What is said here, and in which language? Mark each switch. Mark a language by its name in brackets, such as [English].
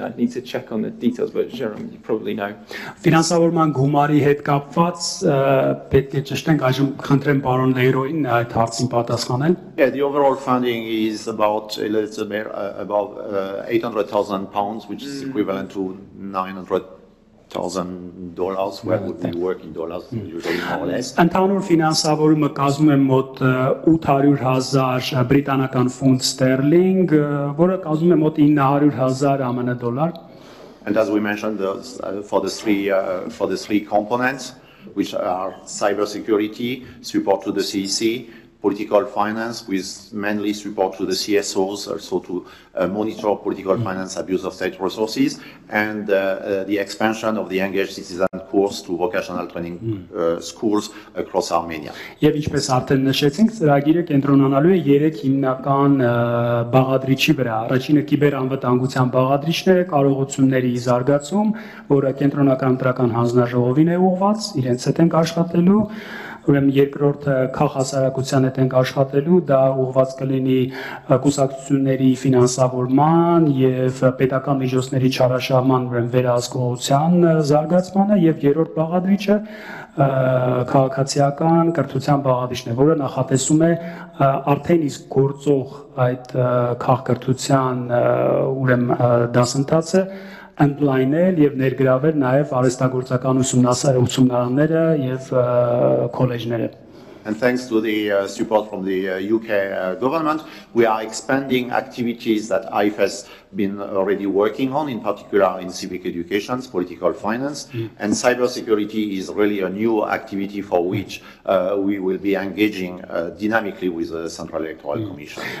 [English] I need to check on the details, but Jerome, you probably know. [Armenian] Ֆինանսավորման գումարի հետ կապված պետք է ճշտենք, այժմ խնդրեմ պարոն Լեյրոին այդ հարցին պատասխանել. [English] Yeah, the overall funding is about a little bit above 800,000 pounds, which is equivalent to $900,000, where would we work in dollars, usually more or less. [Armenian] Ընդհանուր ֆինանսավորումը կազմում է մոտ 800,000 բրիտանական ֆունտ ստերլինգ, որը կազմում է մոտ 900,000 ԱՄՆ դոլար. [English] And as we mentioned, for the three components, which are cybersecurity, support to the CEC, political finance, with mainly support to the CSOs, also to monitor political finance abuse of state resources, and the expansion of the engaged citizen course to vocational training schools across Armenia. [Armenian] Եվ ինչպես արդեն նշեցինք, ծրագիրը կենտրոնանալու է երեք հիմնական բաղադրիչի վրա. Առաջինը կիբերանվտանգության բաղադրիչն է, կարողությունների զարգացում, որը կենտրոնական ընտրական հանձնաժողովին է ուղված, իրենց հետ ենք աշխատելու. Ուրեմն երկրորդը քաղ հասարակության հետ ենք աշխատելու, դա ուղված կլինի կուսակցությունների ֆինանսավորման եւ պետական միջոցների չարաշահման, ուրեմն վերահսկողության զարգացմանը, եւ երրորդ բաղադրիչը քաղաքացիական կրթության բաղադրիչն է, որը նախատեսում է արդեն իսկ գործող այդ քաղ կրթության ուրեմն դասընթացը ընդլայնել եւ ներգրավել նաեւ արհեստագործական ուսումնասիրությունները եւ քոլեջները. [English] And thanks to the support from the UK government, we are expanding activities that IFES been already working on, in particular in civic education, political finance, and cybersecurity is really a new activity for which we will be engaging dynamically with the Central Electoral Commission.